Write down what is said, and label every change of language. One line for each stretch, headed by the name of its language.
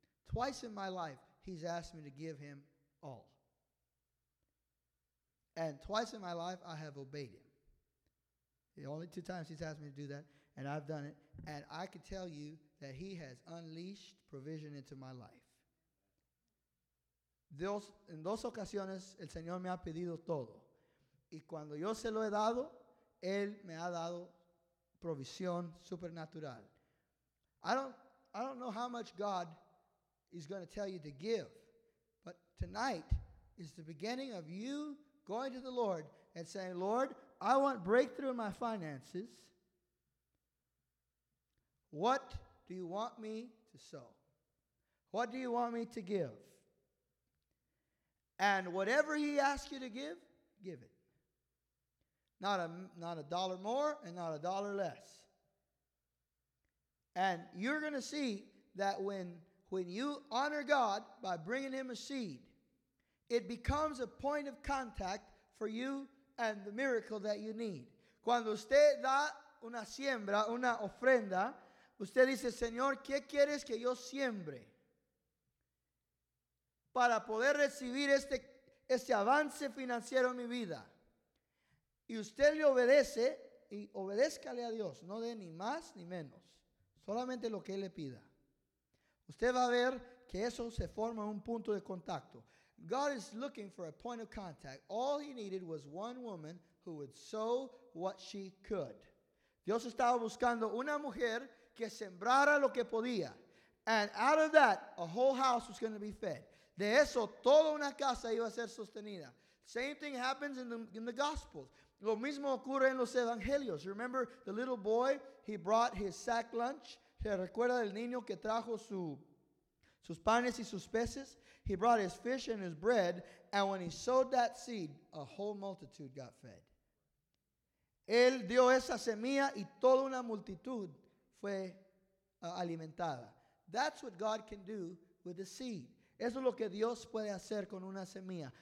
English: Twice in my life, he's asked me to give him all. And twice in my life, I have obeyed him. The only 2 times he's asked me to do that, and I've done it. And I can tell you that he has unleashed provision into my life.
Spanish: Dios, en dos ocasiones, el Señor me ha pedido todo. Y cuando yo se lo he dado, él me ha dado provisión supernatural.
English: I don't know how much God is going to tell you to give, but tonight is the beginning of you going to the Lord and saying, Lord, I want breakthrough in my finances. What do you want me to sow? What do you want me to give? And whatever he asks you to give, give it. Not a dollar more and not a dollar less. And you're going to see that when you honor God by bringing him a seed, it becomes a point of contact for you and the miracle that you need.
Spanish: Cuando usted da una siembra, una ofrenda, usted dice, Señor, ¿qué quieres que yo siembre? Para poder recibir este avance financiero en mi vida. Y usted le obedece, y obedézcale a Dios, no dé ni más ni menos. Solamente lo que él le pida. Usted va a ver que eso se forma un punto de contacto.
English: God is looking for a point of contact. All he needed was one woman who would sow what she could.
Spanish: Dios estaba buscando una mujer que sembrara lo que podía.
English: And out of that, a whole house was going to be fed.
Spanish: De eso, toda una casa iba a ser sostenida.
English: Same thing happens in the Gospels.
Spanish: Lo mismo ocurre en los Evangelios.
English: Remember the little boy, he brought his sack lunch.
Spanish: ¿Se recuerda del niño que trajo sus panes y sus peces?
English: He brought his fish and his bread, and when he sowed that seed, a whole multitude got fed.
Spanish: Él dio esa semilla y toda una multitud fue alimentada.
English: That's what God can do with the seed.
Spanish: Eso es lo que Dios puede hacer con una semilla.